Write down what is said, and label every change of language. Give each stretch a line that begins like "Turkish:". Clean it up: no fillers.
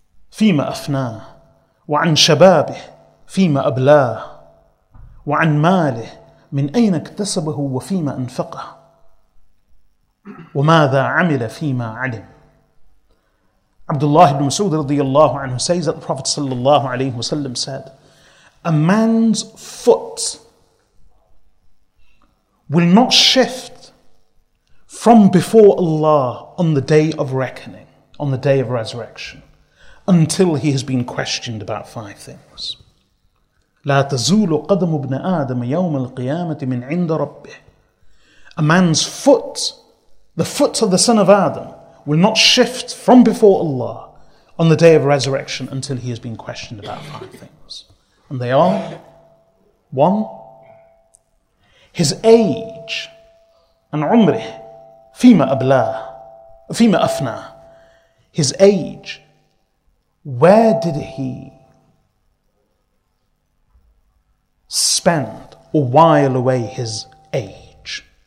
Arabic: فيما أفناه وعن شبابه فيما أبلاه وعن ماله من أين اكتسبه وفيما أنفقه وماذا عمل فيما علم.
English: Abdullah ibn Mas'ud radiyallahu anhu says that the Prophet sallallahu alayhi wa sallam said, a man's foot will not shift from before Allah on the day of reckoning, on the day of resurrection, until he has been questioned about five things.
Arabic: لا تزول قدم ابن آدم يوم القيامة من عند ربه.
English: A man's foot, the foot of the son of Adam, will not shift from before Allah on the day of resurrection until he has been questioned about five things. And they are, one, his age, and
Arabic: عمره, فيما أبلى, فيما أفنى,
English: his age, where did he spend or while away his age?